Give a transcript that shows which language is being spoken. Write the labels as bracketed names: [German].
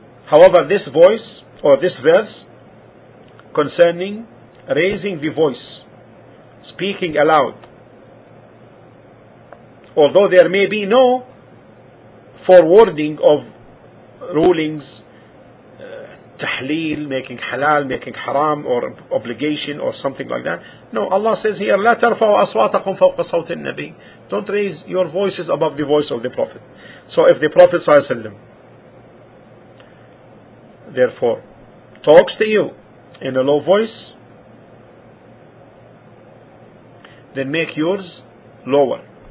[English] However, this voice or this verse concerning raising the voice, speaking aloud, although there may be no forwarding of rulings, tahleel, making halal, making haram, or obligation, or something like that. No, Allah says here, [Arabic] لا ترفعوا أصواتكم فوق صوت النبي. [English] Don't raise your voices above the voice of the Prophet. So if the Prophet [Arabic] صلى الله عليه وسلم [English] therefore talks to you in a low voice, then make yours lower.